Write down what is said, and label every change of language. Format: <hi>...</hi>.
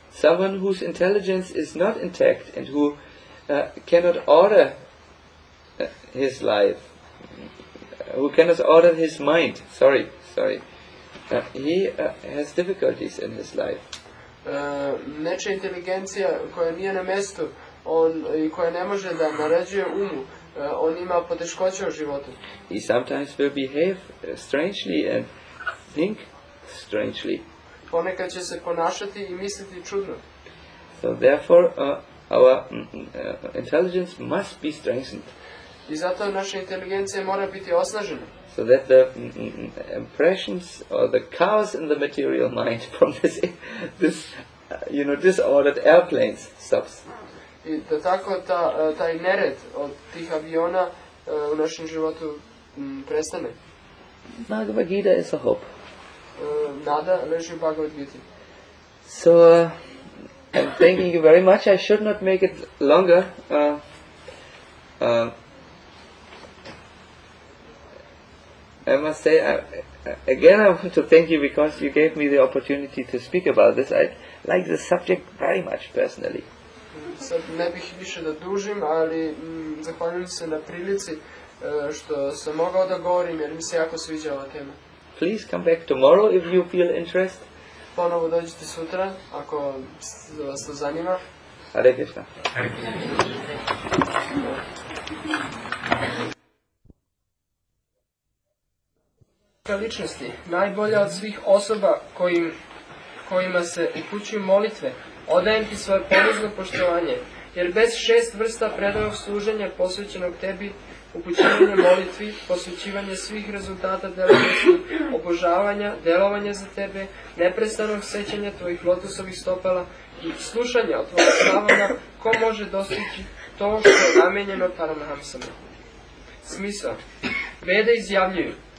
<en>Someone whose intelligence is not intact and who cannot order his life, who cannot order his mind, sorry, he has difficulties in his life.</en> <sr>Nečija inteligencija koja nije na mjestu i koja ne može da naređuje umu, on ima poteškoće u životu.</sr> <en>He sometimes will behave strangely and think strangely.</en> <sr>Ponekad će se ponašati i misliti čudno.</sr> <en>So therefore our intelligence must be strengthened.</en> <sr>I zato naša inteligencija mora biti osnažena.</sr> <en>So that the impressions or the chaos in the material mind from this you know, disordered airplanes stops.</en> <sr>I da tako taj nered od tih aviona u našem životu prestane.</sr> <en>Bhagavad Gita is a hope.</en> <sr>Nada leži u Bhagavad Gita.</sr> <en>So, I'm thanking you very much. I should not make it longer. I must say, again I want to thank you because you gave me the opportunity to speak about this. I like the subject very much personally.</en> <sr>Sad ne bih više da dužim, ali zahvaljujem se na prilici što sam mogao da govorim jer mi se jako sviđa ova tema.</sr> <en>Please come back tomorrow if you feel interest.</en> <sr>Ponovo dođite sutra ako vas to zanima.</sr> <en>Hare Krishna.</en> <sr>Hare Krishna. Najbolja od svih osoba kojima se upućuju molitve, odajem ti svoje ponizno poštovanje, jer bez šest vrsta predanog služenja posvećenog tebi, upućivanje molitvi, posvećivanje svih rezultata delovanja, obožavanja, delovanja za tebe, neprestanog sećanja tvojih lotusovih stopala i slušanja od tvojeg stavanja, ko može dostići to što je namenjeno Paramahamsama. Smisao. Vede izjavljuju.</sr>